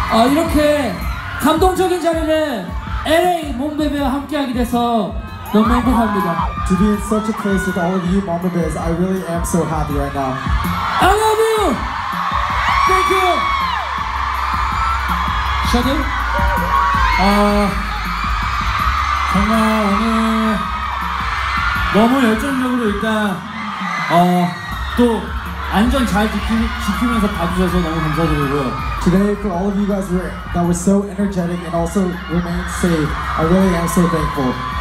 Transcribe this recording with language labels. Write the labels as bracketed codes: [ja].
[ko] 이렇게 감동적인 자리를 LA 몬베베와 함께하게 돼서 너무 행복합니다. [en] To be in such a place with all of you, Mamba Bass, I really am so happy right now. I love you! Thank you! Shadow? [ko] 정말 오늘 너무 열정적으로 일단 또 안전 잘 지키면서 봐주셔서 너무 감사드리고요. [en] Today for all of you guys that were so energetic and also remained safe, I really am so thankful.